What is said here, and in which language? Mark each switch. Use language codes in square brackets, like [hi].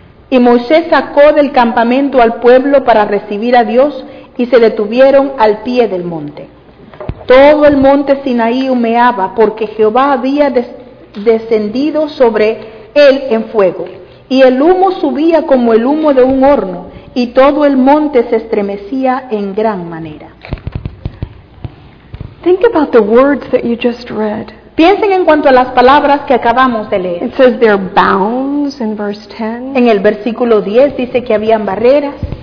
[es] Y Moisés sacó del campamento al pueblo para recibir a Dios, y se detuvieron al pie del monte. Todo el monte Sinaí humeaba porque Jehová había descendido sobre él en fuego. Y el humo subía como el humo de un horno y todo el monte se estremecía en gran manera. [en] Think about the words that you just read. [es] Piensen en cuanto a las palabras que acabamos de leer. [en] It says there are bounds in verse 10. [es] En el versículo 10 dice que habían barreras.